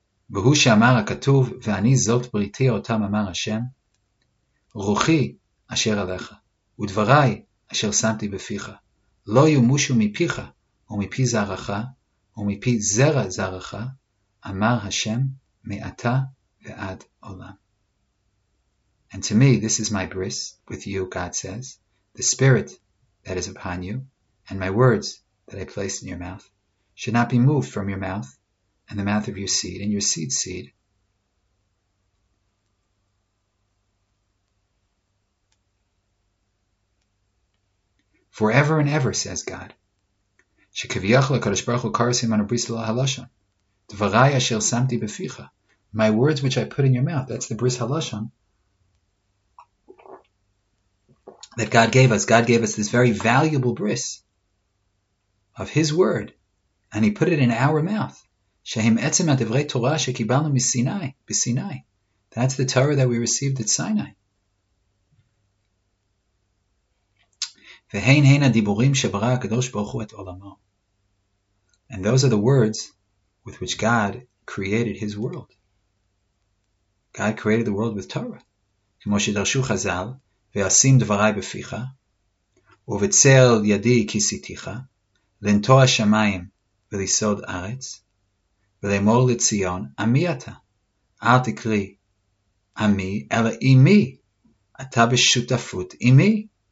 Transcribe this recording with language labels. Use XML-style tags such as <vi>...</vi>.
<he>והוא שאמר הכתוב, ואני זאת בריתי אותם אמר השם, רוחי אשר עליך, ודבריי אשר שמתי בפיך, לא יומושו מפיך, ומפי זרעך, ומפי זרע זרעך, אמר השם, מעתה ועד עולם.</he> <en>And to me, this is my bris with you, God says, the spirit that is upon you, and my words that I placed in your mouth, should not be moved from your mouth, and the mouth of your seed, and your seed's seed. Forever and ever, says God,</en> <he>שכביכול הקדוש ברוך הוא קרא סימן הבריס ללא הלשון, דברי אשר שמתי בפיך,</he> <en>my words which I put in your mouth, that's the</en> <he>בריס הלשון,</he> <en>that God gave us. God gave us this very valuable בריס of his word, and he put it in our mouth.</en> <he>שהם עצם הדברי תורה שקיבלנו מסיני, בסיני.</he> <en>That's the Torah that we received at Sinai.</en> <he>והן הן הדיבורים שברא הקדוש ברוך הוא את עולמו.</he> <en>And those are the words with which God created his world. God created the world with Torah.</en> <he>כמו שדרשו חז"ל, ועשים דברי בפיך, ובצל ידי כיסיתיך, לנטוע שמיים וליסוד ארץ, ולאמור לציון, עמי אתה. אל תקרי עמי, אלא אימי. אתה בשותפות אימי.</he>